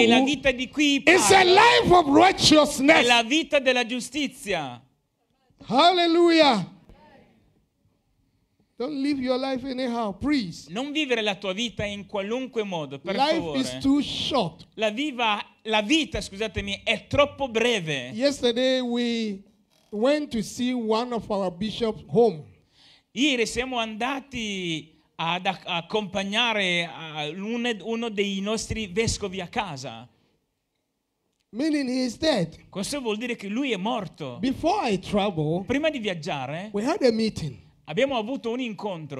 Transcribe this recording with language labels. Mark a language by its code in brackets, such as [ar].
[it] e la vita di cui [en] is a life of righteousness, [it] è la vita della giustizia. [en] Hallelujah. Don't live your life anyhow, please. [it] Non vivere la tua vita in qualunque modo, per [en] life [it] favore. [en] Is too short. [it] La vita, scusatemi, è troppo breve. [en] Yesterday we went to see one of our bishop's home. [it] Ieri siamo andati ad accompagnare uno dei nostri vescovi a casa. [en] Meaning he is dead. [it] Questo vuol dire che lui è morto. [en] Before I travel, [it] prima di viaggiare, [en] we had a meeting. [it] Abbiamo avuto un incontro.